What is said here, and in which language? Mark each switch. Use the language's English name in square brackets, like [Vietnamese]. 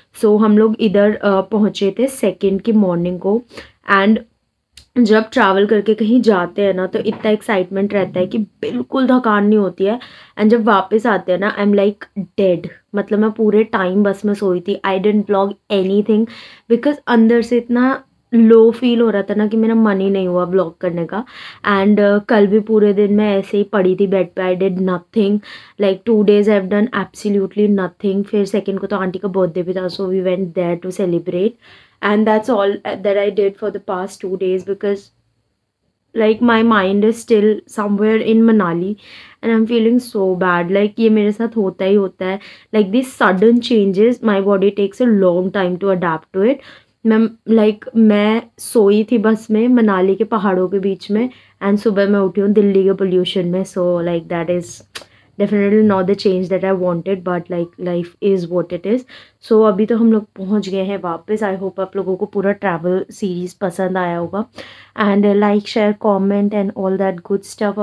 [Hindi] सो हम लोग इधर पहुँचे थे 2nd की मॉर्निंग को, एंड जब ट्रैवल करके कहीं जाते हैं ना तो इतना एक्साइटमेंट रहता है कि बिल्कुल थकान नहीं होती है, एंड जब वापस आते हैं ना [English] I am like dead, [Hindi] मतलब मैं पूरे टाइम बस में सोई थी, [English] I didn't vlog anything because [Hindi] अंदर से इतना लो फील हो रहा था ना कि मेरा मन ही नहीं हुआ व्लॉग करने का। एंड कल भी पूरे दिन मैं ऐसे ही पड़ी थी बेड पे, [English] I did nothing, like 2 days I have done absolutely nothing. [Hindi] फिर 2nd को तो आंटी का बर्थडे भी था, [English] so we went there to celebrate and that's all that I did for the past 2 days because like my mind is still somewhere in Manali and I'm feeling so bad, like [Hindi] ye mere sath hota hi hota hai, [English] like these sudden changes my body takes a long time to adapt to it। [Hindi] मैं सोई थी बस में मनाली के पहाड़ों के बीच में and सुबह मैं उठी हूँ दिल्ली के पोल्यूशन में, [English] So like that is definitely not the change that I wanted, but like life is what it is. [Hindi] सो अभी तो हम लोग पहुँच गए हैं वापस, [English] I hope [Hindi] आप लोगों को पूरा ट्रैवल सीरीज पसंद आया होगा, [English] And like share comment and all that good stuff.